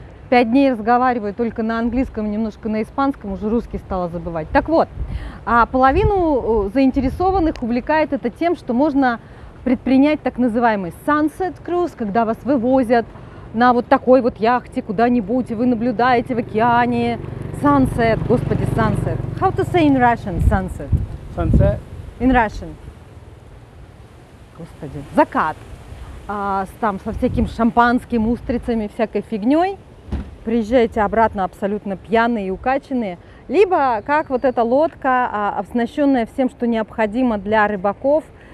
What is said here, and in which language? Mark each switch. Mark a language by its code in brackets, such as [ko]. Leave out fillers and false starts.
[ru] 5 дней разговариваю только на английском, немножко на испанском, уже русский стала забывать. Так вот, половину заинтересованных увлекает это тем, что можно предпринять так называемый sunset cruise, когда вас вывозят на вот такой вот яхте куда-нибудь, и вы наблюдаете в океане. [en] Sunset, [ru] господи, [en] sunset. How to say in Russian sunset? Sunset? In Russian. [ru] Господи, закат. Там со всяким шампанским, устрицами, всякой фигней. Приезжаете обратно абсолютно пьяные и укачанные. Либо как вот эта лодка, оснащенная всем, что необходимо для рыбаков.